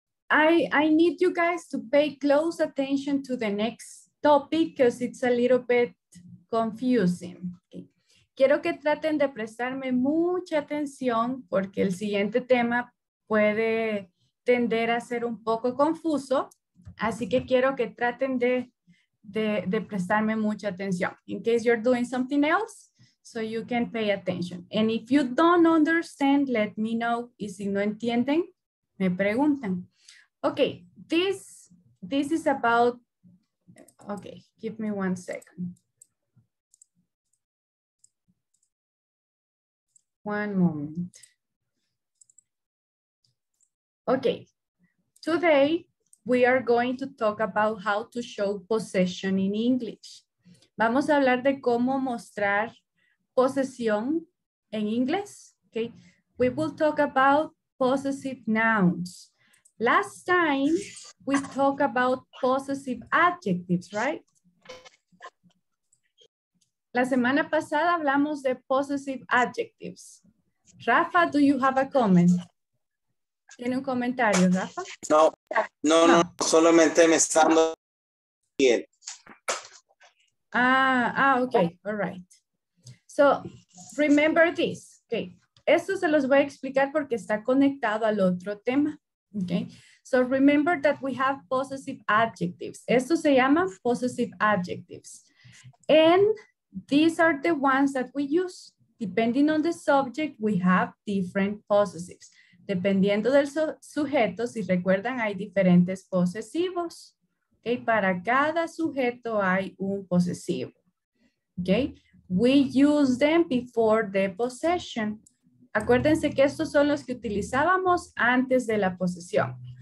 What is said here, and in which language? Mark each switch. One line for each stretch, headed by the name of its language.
English: I need you guys to pay close attention to the next topic because it's a little bit confusing. Okay.
Spanish: Quiero que traten de prestarme mucha atención porque el siguiente tema puede tender a ser un poco confuso. Así que quiero que traten de prestarme mucha atención.
English: In case you're doing something else, so you can pay attention. And if you don't understand, let me know.
Spanish: Y si no entienden, me preguntan.
English: Okay, this is about, okay, give me one second. One moment. Okay, today we are going to talk about how to show possession in English.
Spanish: Vamos a hablar de cómo mostrar posesión en inglés.
English: Okay, we will talk about possessive nouns. Last time we talked about possessive adjectives, right?
Spanish: La semana pasada hablamos de possessive adjectives.
English: Rafa, do you have a comment?
Spanish: ¿Tiene un comentario, Rafa? No, solamente me está dando bien.
English: Okay, all right. So, remember this.
Spanish: Okay, esto se los voy a explicar porque está conectado al otro tema.
English: Okay, so remember that we have possessive adjectives.
Spanish: Esto se llama
English: possessive adjectives. And these are the ones that we use. Depending on the subject, we have different possessives.
Spanish: Dependiendo del sujeto, si recuerdan, hay diferentes posesivos. Okay, para cada sujeto hay un posesivo.
English: Okay, we use them before the possession.
Spanish: Acuérdense que estos son los que utilizábamos antes de la posesión.